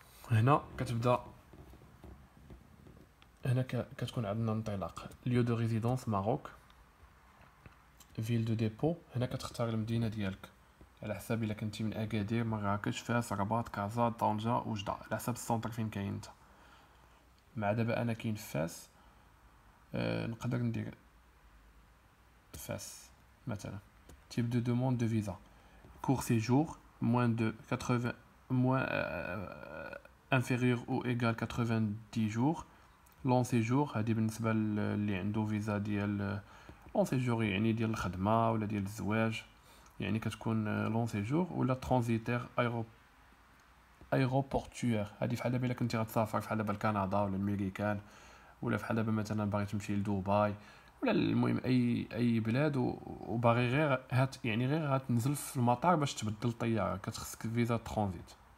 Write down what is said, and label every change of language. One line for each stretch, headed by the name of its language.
Arabic: هنا كتبدا, هنا كتكون عندنا انطلاق ليو دو ريزيدونس ماروك, فيل دو ديبو, هنا كتختار المدينه ديالك على حساب الا كنتي من اكادير, مراكش, فاس, رباط, كازا, طنجة, وجدة, على حساب السونتر فين كاين انت. مع دابا انا كاين فاس, نقدر ندير
French: fesses, maintenant. Type de demande de visa. Court séjour, moins de 80, moins inférieur ou égal 90 jours. Long séjour,
Arabic: هذه بالنسبة اللي عنده فيزا ديال لون سيجور، يعني ديال الخدمة ولا ديال الزواج، يعني كتكون لون سيجور. ولا ترانزيتير ايروبورتوير، هذه فحال دابا إلا كنتي غتسافر فحال دابا لكندا ولا الميريكان، ولا فحال دابا مثلا باغي تمشي لدبي ولا المهم أي بلاد، وباغي غير هات يعني غير غتنزل في المطار باش تبدل الطيارة، كتخصك فيزا ترانزيت.